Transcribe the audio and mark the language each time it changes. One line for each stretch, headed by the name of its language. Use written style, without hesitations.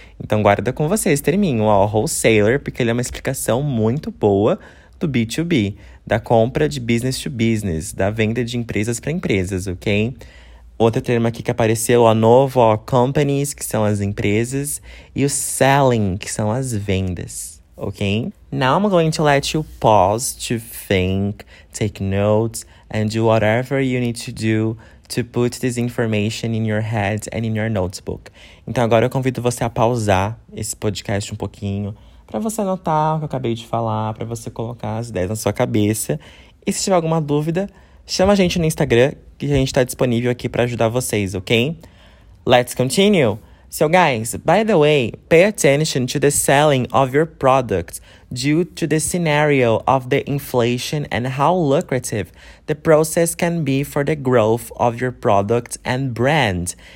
Portuguese: Então, guarda com vocês, terminho, ó, wholesaler, porque ele é uma explicação muito boa do B2B, da compra de business to business, da venda de empresas para empresas, ok? Outro termo aqui que apareceu, ó, novo, ó, companies, que são as empresas, e o selling, que são as vendas, ok?
English: Now I'm going to let you pause to think, take notes, and do whatever you need to do to put this information in your head and in your notebook.
Portuguese: Então agora eu convido você a pausar esse podcast um pouquinho, pra você anotar o que eu acabei de falar, pra você colocar as ideias na sua cabeça, e se tiver alguma dúvida, chama a gente no Instagram, que a gente tá disponível aqui pra ajudar vocês, ok?
English: Let's continue! So guys, by the way, pay attention to the selling of your product due to the scenario of the inflation and how lucrative the process can be for the growth of your product and brand.